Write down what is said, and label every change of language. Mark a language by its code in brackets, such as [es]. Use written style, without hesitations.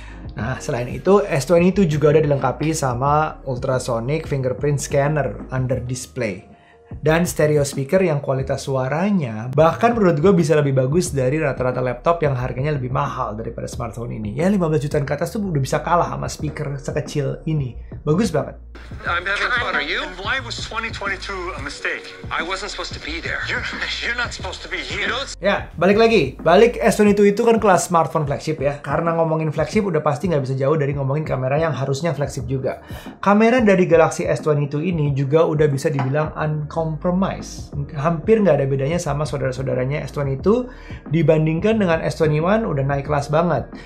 [id] Nah, selain itu, S22 juga udah dilengkapi sama ultrasonic fingerprint scanner under display. dan stereo speaker yang kualitas suaranya bahkan menurut gue bisa lebih bagus dari rata-rata laptop yang harganya lebih mahal daripada smartphone ini. Ya 15 jutaan ke atas tuh udah bisa kalah sama speaker sekecil ini. Bagus banget. [en] I'm having fun, are you? And why was 2022 a mistake? I wasn't supposed to be there. You're not supposed to be here. You know? [id] Ya, balik lagi. Balik S22 itu kan kelas smartphone flagship ya. Karena ngomongin flagship udah pasti nggak bisa jauh dari ngomongin kamera yang harusnya flagship juga. Kamera dari Galaxy S22 ini juga udah bisa dibilang uncompromised. Hampir nggak ada bedanya sama saudara-saudaranya S22 dibandingkan dengan S21 udah naik kelas banget.